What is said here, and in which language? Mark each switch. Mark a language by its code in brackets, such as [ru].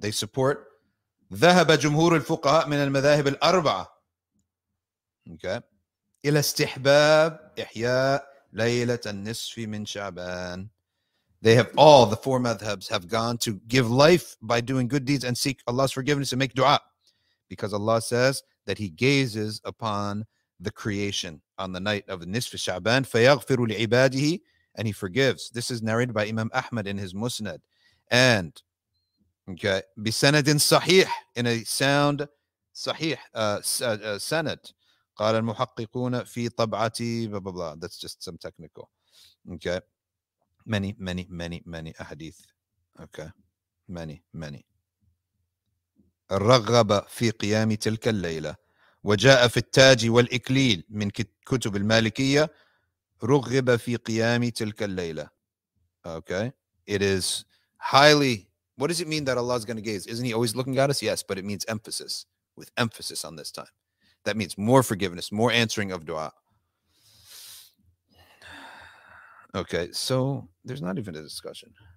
[en] They support [ar] ذهب جمهور الفقهاء من المذاهب الأربعة. [en] Okay. [ar] إلى استحباب إحياء ليلة النصف من شعبان. [en] They have all the four madhabs have gone to give life by doing good deeds and seek Allah's forgiveness and make dua, because Allah says that He gazes upon the creation on the night of Nisf Sha'ban. [ar] فيغفر لعباده, [en] and He forgives. This is narrated by Imam Ahmad in his Musnad, and okay, [ar] بسندٍ صحيح, [en] in a sound [ar] صحيح سند. قال المحققون في طبعتي [en] blah blah blah. That's just some technical. Okay, many أحاديث. Okay, many. [ar] رغب في قيام تلك الليلة وجاء في التاج والإكليل من كتب المالكية رغب في قيام تلك الليلة. [en] Okay, it is highly. What does it mean that Allah is going to gaze? Isn't He always looking at us? Yes, but it means emphasis, with emphasis on this time. That means more forgiveness, more answering of dua. Okay, so there's not even a discussion.